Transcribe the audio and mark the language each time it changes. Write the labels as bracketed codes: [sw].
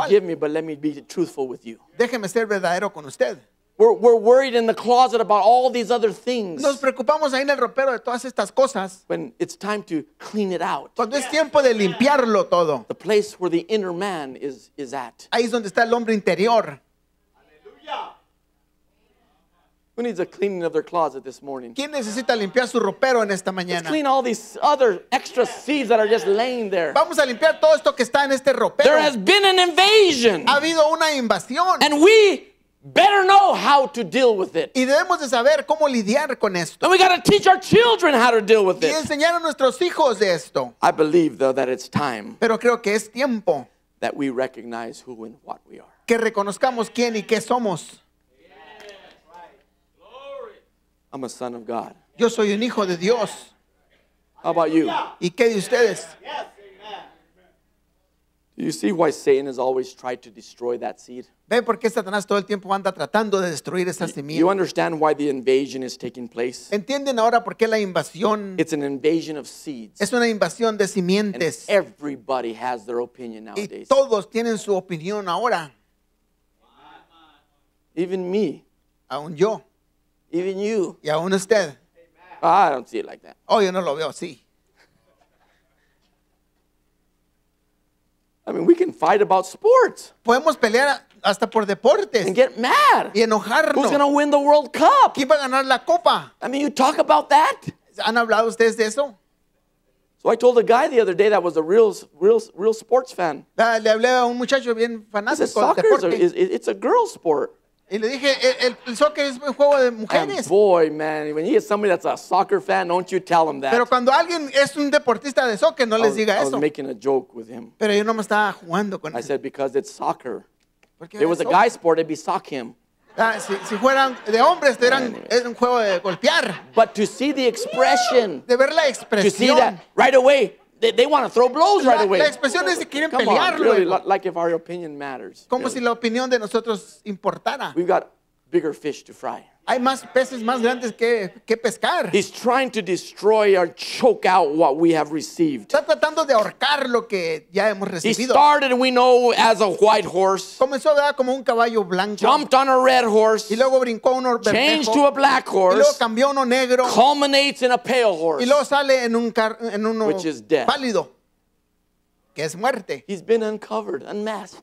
[en] Forgive me, but let me be truthful with you. [es] Déjeme ser verdadero con usted. [en] We're worried in the closet about all these other things. [es] Nos preocupamos ahí en el ropero de todas estas cosas. [en] When it's time to clean it out. [es] Cuando es tiempo de limpiarlo todo. [en] The place where the inner man is at. [es] Ahí es donde está el hombre interior. [en] Hallelujah. Who needs a cleaning of their closet this morning? [es] ¿Quién necesita limpiar su ropero en esta mañana? [en] Let's clean all these other extra seeds that are just laying there. [es] Vamos a limpiar todo esto que está en este ropero. [en] There has been an invasion. [es] Ha habido una invasión. [en] And we better know how to deal with it. [es] Y debemos de saber cómo lidiar con esto. [en] And we got to teach our children how to deal with it. [es] Y enseñar a nuestros hijos de esto. [en] I believe though that it's time. [es] Pero creo que es tiempo. [en] That we recognize who and what we are. [es] Que reconozcamos quién y qué somos. [en] I'm a son of God. [es] Yo soy un hijo de Dios. [en] How about you? [es] ¿Y qué de ustedes? [en] You see why Satan has always tried to destroy that seed? [es] ¿Ven por qué Satanás todo el tiempo anda tratando de destruir esa semilla? [en] You understand why the invasion is taking place? [es] ¿Entienden ahora por qué la invasión? [en] It's an invasion of seeds. [es] Es una invasión de simientes. [en] And everybody has their opinion nowadays. [es] Y todos tienen su opinión ahora. [en] Even me. [es] Aún yo. [en] Even you. [es] Y aún usted. [en] Oh, I don't see it like that. [es] Oh, yo no lo veo así. [en] I mean, we can fight about sports. [es] Podemos pelear hasta por deportes. [en] And get mad. [es] Y enojarnos. [en] Who's going to win the World Cup? [es] ¿Quién va a ganar la copa? [en] I mean, you talk about that? [es] ¿Han hablado ustedes de eso? [en] So I told a guy the other day that was a real sports fan. [es] Le hablé a un muchacho bien fanático del deporte. [en] It's a girl sport. [es] Y le dije, el soccer es un juego de mujeres. [en] And boy, man, when you get somebody that's a soccer fan, don't you tell him that. [es] Pero cuando alguien es un deportista de soccer, no les diga eso. [en] I was making a joke with him. [es] Pero yo no me estaba jugando con él. [en] I said, because it's soccer. If it was a guy sport, it'd be sock him. [es] Si fueran de hombres, es un juego de golpear. [en] But to see the expression. [es] De ver la expresión. [en] To see that right away. They want to throw blows right away. [es] La expresión es que quieren [en] come [es] pelear [en] on, really, like if our opinion matters. [es] Como [en] really. [es] Si la opinión de nosotros importara. [en] We've got bigger fish to fry. [es] Hay más peces más grandes que pescar. [en] He's trying to destroy or choke out what we have received. [es] Está tratando de ahorcar lo que ya hemos recibido. [en] He started, we know, as a white horse. [es] Comenzó, ¿verdad?, como un caballo blanco. [en] Jumped on a red horse. [es] Y luego brincó uno bermejo. [en] Changed to a black horse. [es] Y luego cambió uno negro. [en] Culminates in a pale horse. [es] Y luego sale en un uno [en] which is death. [es] Pálido. Que es muerte. [en] He's been uncovered, unmasked.